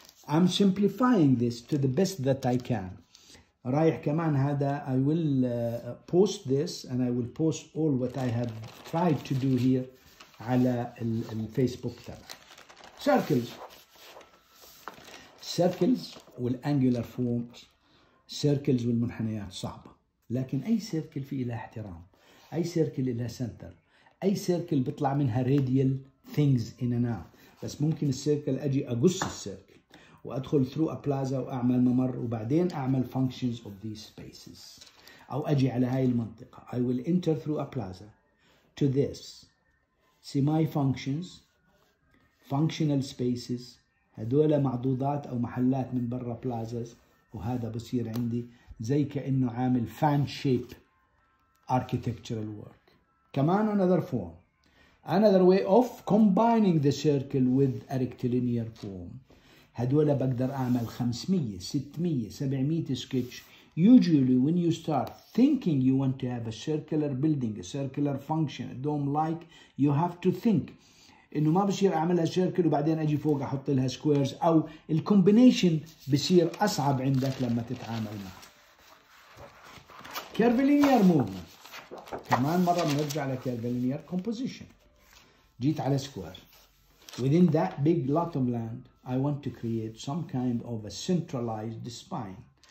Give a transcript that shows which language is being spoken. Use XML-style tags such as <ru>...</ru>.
<en>Um simplifying this to the best that I can.</en> <ar>رايح كمان هذا</ar> <en>I will post this and I will post all what I have tried to do here</en> <ar>على الفيسبوك تبع سيركلز والانجولار فورمز. سيركلز والمنحنيات صعبه، لكن أي سيركل فيه إلى احترام، أي سيركل إلى سنتر، أي سيركل بطلع منها راديال</ar> <en>things in and out.</en> <ar>بس ممكن السيركل أجي أقص السيركل وأدخل</ar> <en>through a plaza</en> <ar>وأعمل ممر وبعدين أعمل</ar> <en>functions of these spaces.</en> <ar>أو أجي على هاي المنطقة</ar> <en>I will enter through a plaza to this, see my functions, functional spaces.</en> <ar>هدول معضوضات أو محلات من برا plazas، وهذا بصير عندي زي كأنه عامل</ar> <en>fan shape architectural work. كمان another form, another way of combining the circle with a rectilinear form.</en> <ar>هدول بقدر أعمل 500, 600, 700 sketch.</ar> <en>Usually when you start thinking you want to have a circular building, a circular function, a dome-like, you have to think</en> <ar>إنه ما بصير أعملها circle وبعدين أجي فوق أحط لها squares، أو الكومبينيشن بصير أصعب عندك لما تتعامل معها.</ar> <en>Curvilinear movement.</en> <ar>كمان مرة بنرجع على curvilinear composition. جيت على square.</ar> <en>Within that big lot of land, I want to create some kind of a centralized spine.</en>